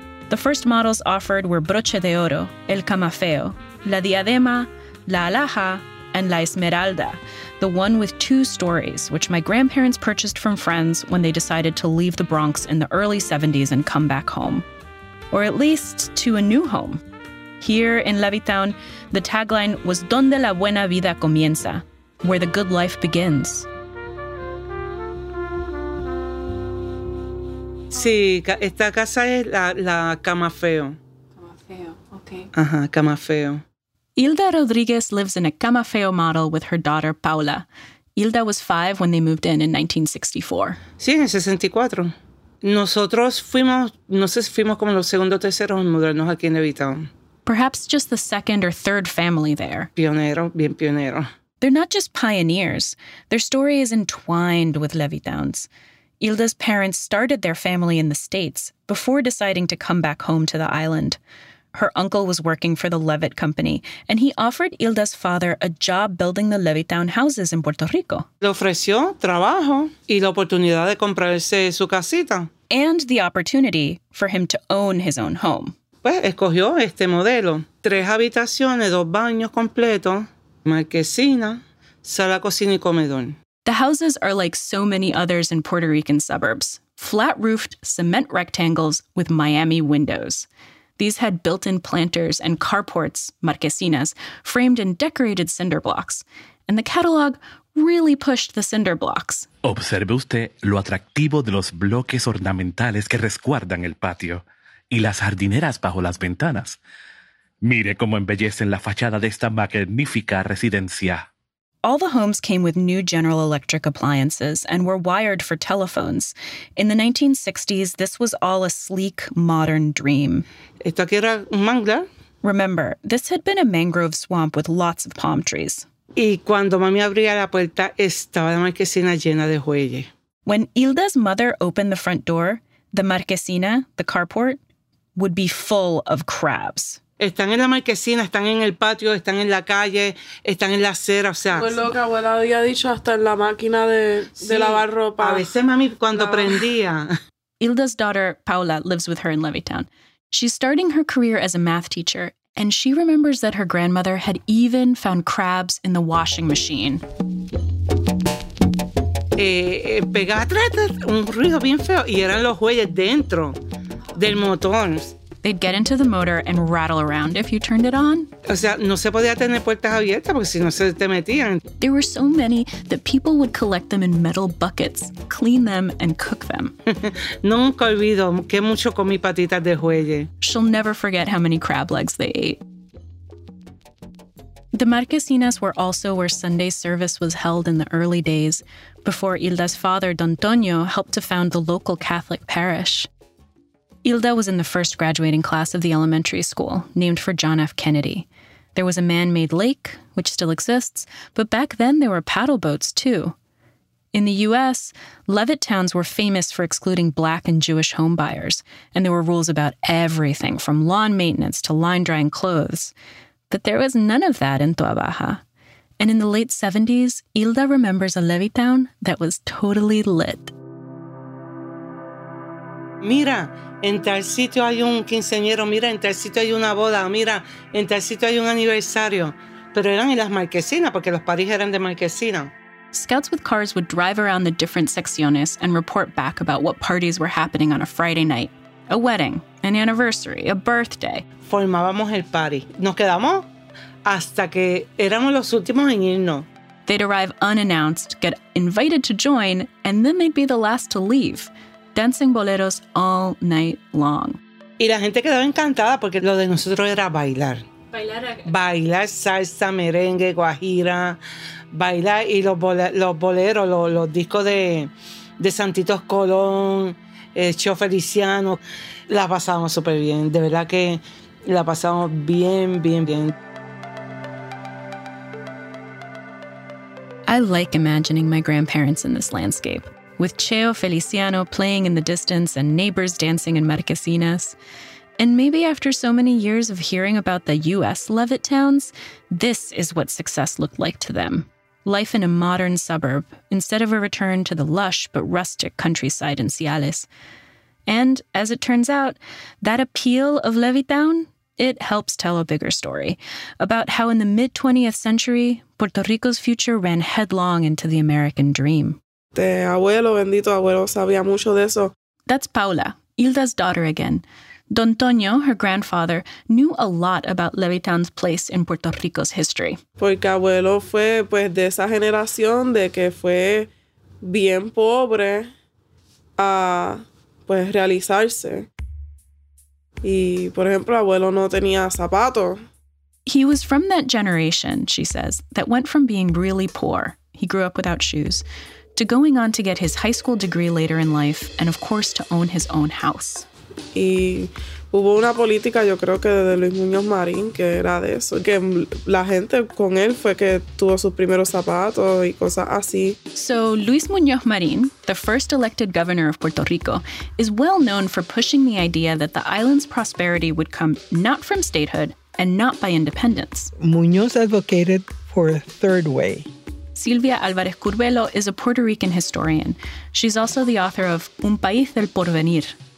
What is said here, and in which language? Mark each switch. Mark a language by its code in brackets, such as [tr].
[en] The first models offered were Broche de Oro, El Camafeo, La Diadema, La Alhaja, and La Esmeralda, the one with two stories, which my grandparents purchased from friends when they decided to leave the Bronx in the early 70s and come back home. Or at least to a new home. Here in Levittown, the tagline was [es] Donde la buena vida comienza, [en] where the good life begins. [es] Sí, esta casa es la Camafeo. Camafeo, okay. Ajá, Camafeo. [en] Hilda Rodriguez lives in a Camafeo model with her daughter, Paula. Hilda was five when they moved in 1964. [es] Sí, en 64. Nosotros fuimos, no sé si fuimos como los segundos o terceros en mudarnos aquí en Levittown. [en] Perhaps just the second or third family there. [es] Pionero, bien pionero. [en] They're not just pioneers. Their story is entwined with Levittown's. Hilda's parents started their family in the States before deciding to come back home to the island. Her uncle was working for the Levitt Company, and he offered Hilda's father a job building the Levittown houses in Puerto Rico. [es] Le ofreció trabajo y la oportunidad de comprarse su casita. [en] And the opportunity for him to own his own home. [es] Pues escogió este modelo. Tres habitaciones, dos baños completos, marquesina, sala, cocina y comedor. [en] The houses are like so many others in Puerto Rican suburbs, flat-roofed cement rectangles with Miami windows. These had built-in planters and carports, marquesinas, framed in decorated cinder blocks. And the catalog really pushed the cinder blocks. [es] Observe usted lo atractivo de los bloques ornamentales que resguardan el patio y las jardineras bajo las ventanas. Mire cómo embellecen la fachada de esta magnífica residencia. [en] All the homes came with new General Electric appliances and were wired for telephones. In the 1960s, this was all a sleek, modern dream. [es] ¿Esto aquí era un manglar? [en] Remember, this had been a mangrove swamp with lots of palm trees. [es] Y cuando mami abría la puerta, estaba la marquesina llena de huelle. [en] When Hilda's mother opened the front door, the marquesina, the carport, would be full of crabs. [es] Están en la marquesina, están en el patio, están en la calle, están en la acera, o sea... Pues lo que abuela había dicho, hasta en la máquina de lavar ropa. A veces, mami, cuando prendía. [en] Hilda's daughter, Paula, lives with her in Levittown. She's starting her career as a math teacher, and she remembers that her grandmother had even found crabs in the washing machine. [es] Pegaba un ruido bien feo, y eran los huellas dentro del motor. [en] They'd get into the motor and rattle around if you turned it on. [es] O sea, no se podía tener puertas abiertas porque si no se te metían. [en] There were so many that people would collect them in metal buckets, clean them, and cook them. [es] Nunca olvido que mucho comí patitas de huelle. [en] She'll never forget how many crab legs they ate. The marquesinas were also where Sunday service was held in the early days, before Hilda's father, Don Toño, helped to found the local Catholic parish. Hilda was in the first graduating class of the elementary school, named for John F. Kennedy. There was a man-made lake, which still exists, but back then there were paddle boats, too. In the U.S., Levittowns were famous for excluding Black and Jewish homebuyers, and there were rules about everything from lawn maintenance to line-drying clothes. But there was none of that in Tua Baja. And in the late 70s, Hilda remembers a Levittown that was totally lit. [es] Mira, en tal sitio hay un quinceañero. Mira, en tal sitio hay una boda. Mira, en tal sitio hay un aniversario. Pero eran en las marquesinas, porque los parís eran de marquesina. [en] Scouts with cars would drive around the different secciones and report back about what parties were happening on a Friday night. A wedding, an anniversary, a birthday. [es] Formábamos el party. Nos quedamos hasta que éramos los últimos en irnos. They'd arrive unannounced, get invited to join, and then they'd be the last to leave. Dancing boleros all night long. Y la gente quedaba encantada porque lo de nosotros era bailar. Bailar salsa, merengue, guajira, bailar y los boleros, los discos de Santitos Colón, Cheo Feliciano, la pasábamos súper bien. De verdad que la pasábamos bien, bien, bien. [en] I like imagining my grandparents in this landscape, with Cheo Feliciano playing in the distance and neighbors dancing in marquesinas. And maybe after so many years of hearing about the U.S. Levittowns, this is what success looked like to them. Life in a modern suburb, instead of a return to the lush but rustic countryside in Ciales. And, as it turns out, that appeal of Levittown, it helps tell a bigger story about how in the mid-20th century, Puerto Rico's future ran headlong into the American dream. [es] Te abuelo, bendito abuelo, sabía mucho de eso. [en] That's Paula, Hilda's daughter again. Don Toño, her grandfather, knew a lot about Levittown's place in Puerto Rico's history. [es] Porque abuelo fue, pues, de esa generación de que fue bien pobre a, pues, realizarse. Y, por ejemplo, abuelo no tenía zapatos. He was from that generation, she says, that went from being really poor, he grew up without shoes, to going on to get his high school degree later in life, and, of course, to own his own house. Y hubo una política, yo creo que de Luis Muñoz Marín, que era de eso. Que la gente con él fue que tuvo sus primeros zapatos y cosas así. [en] So Luis Muñoz Marín, the first elected governor of Puerto Rico, is well known for pushing the idea that the island's prosperity would come not from statehood and not by independence. Muñoz advocated for a third way. Silvia Álvarez Curbelo is a Puerto Rican historian. She's also the author of Un País del Porvenir.